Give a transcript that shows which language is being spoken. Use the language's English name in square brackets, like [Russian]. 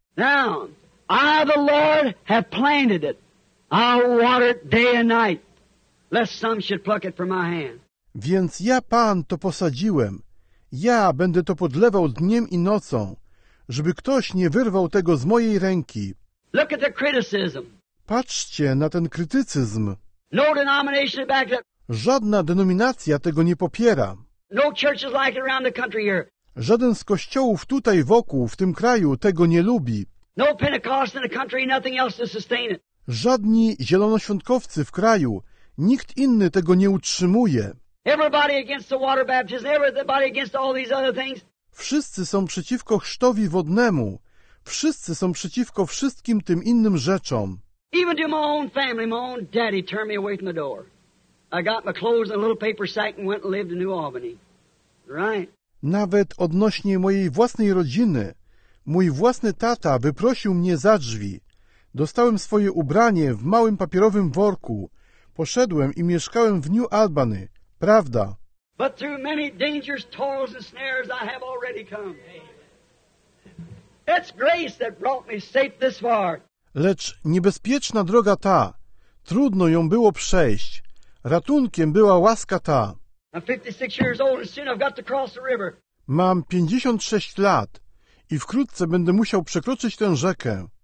[English] Now, I the Lord have planted it. I'll water it day and night. Lest some should pluck it from my hand. [Polish] Więc ja, Pan, to posadziłem. Ja będę to podlewał dniem i nocą, żeby ktoś nie wyrwał tego z mojej ręki. [English] Look at the criticism. [Polish] Patrzcie na ten krytycyzm. [English] No denomination back it. [Polish] Żadna denominacja tego nie popiera. [English] No church is like it around the country here. [Polish] Żaden z kościołów tutaj wokół, w tym kraju, tego nie lubi. [English] No Pentecost in the country, nothing else to sustain it. [Polish] Żadni zielonoświątkowcy w kraju, nikt inny tego nie utrzymuje. [English] Everybody against the water baptism, everybody against all these other things. [Polish] Wszyscy są przeciwko chrztowi wodnemu. Wszyscy są przeciwko wszystkim tym innym rzeczom. [English] Even to my own family, my own daddy turned me away from the door. I got my clothes in a little paper sack and went and lived in New Albany. Right. [Polish] Nawet odnośnie mojej własnej rodziny, mój własny tata wyprosił mnie za drzwi. Dostałem swoje ubranie w małym papierowym worku. Poszedłem i mieszkałem w New Albany. Prawda. [English] But through many dangers, toils and snares I have already come. It's grace that brought me safe this far. [Polish] Lecz niebezpieczna droga ta, trudno ją było przejść. Ratunkiem była łaska ta. [English] I'm 56 years old and soon I've got to cross the river. [Polish] Mam 56 lat i wkrótce będę musiał przekroczyć tę rzekę.